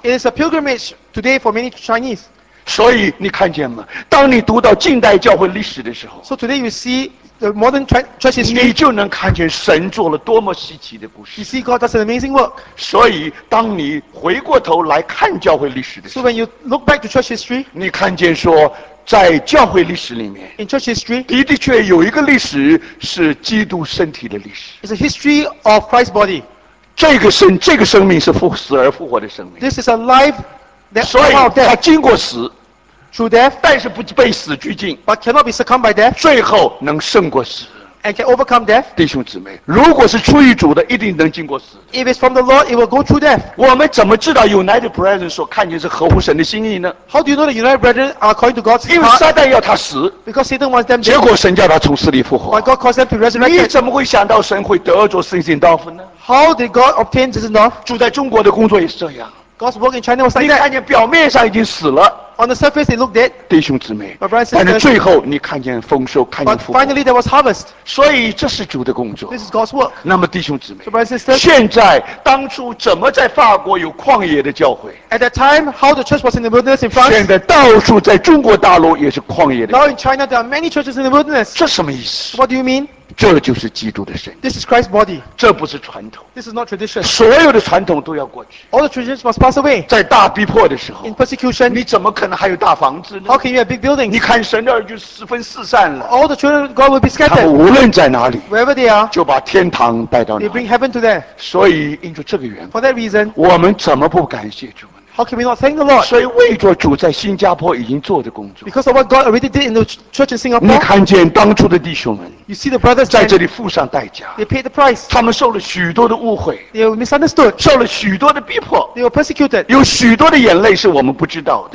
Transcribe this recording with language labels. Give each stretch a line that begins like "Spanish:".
English: It is a pilgrimage today for many Chinese
Chinese: 所以你看见吗当你读到近代教会历史的时候
English: So today you see the modern church history
Chinese: 你就能看见神做了多么稀奇的故事
English: You see God does an amazing work
Chinese: 所以当你回过头来看教会历史的时候
English: So when you look back to church history
Chinese: 你看见说在教会历史里面
English: In church history,
Chinese: 的的确有一个历史是基督身体的历史
English: It's a history of Christ's body
Chinese: 这个生命是死而复活的生命
English: This is a life that came out of death
Chinese: 所以他经过死
English: Through death
Chinese: 但是不被死拘禁
English: But cannot be succumbed by death
Chinese: 最后能胜过死
English: And can overcome death
Chinese: 弟兄姊妹如果是出于主的一定能经过死
English: If it's from the Lord, it will go through death
Chinese: 我们怎么知道 United Brethren 所看见是合乎神的心意呢
English: How do you know the United Brethren are according to God's heart?
Chinese: 因为撒旦要他死
English: Because Satan wants them dead
Chinese: 结果神叫他从死里复活
English: But God caused them to resurrect
Chinese: 你怎么会想到神会得着圣心道夫呢
English: How did God obtain this enough?
Chinese: 主在中国的工作也是这样
English: God's work in China was like that
Chinese: 你看见表面上已经死了
English: On the surface, they look dead.
Chinese: 弟兄姊妹
English: But Brian,
Chinese: 但是最后你看见丰收看见复活
English: But finally, there was harvest.
Chinese: 所以这是主的工作
English: This is God's work.
Chinese: 那么弟兄姊妹
English: So Brian, sisters,
Chinese: 现在当初怎么在法国有旷野的教会
English: At that time, how the church was in the wilderness in France
Chinese: 现在到处在中国大陆也是旷野的
English: 教会 Now in China, there are many churches in the wilderness.
Chinese: 这什么意思
English: What do you mean?
Chinese: 这就是基督的身体
English: This is Christ's body.
Chinese: 这不是传统
English: This is not tradition.
Chinese: 所有的传统都要过去
English: All the traditions must pass away.
Chinese: 在大逼迫的时候
English: In persecution,
Chinese: 你怎么可能还有大房子呢
English: How can you have big buildings?
Chinese: 你看神的儿女就四分四散了
English: All the children of God will be scattered
Chinese: 他们无论在哪里
English: Wherever they are
Chinese: 就把天堂带到哪里
English: They bring heaven to them
Chinese: 所以因着这个缘故
English: For that reason
Chinese: 我们怎么不感谢主呢
English: How can we not thank the Lord?
Chinese: 所以为着主在新加坡已经做的工作
English: Because of what God already did in the church in Singapore
Chinese: 你看见当初的弟兄们
English: You see the brothers
Chinese: 在这里付上代价
English: They paid the price
Chinese: 他们受了许多的误会
English: They were misunderstood
Chinese: 受了许多的逼迫
English: They were persecuted
Chinese: 有许多的眼泪是我们不知道的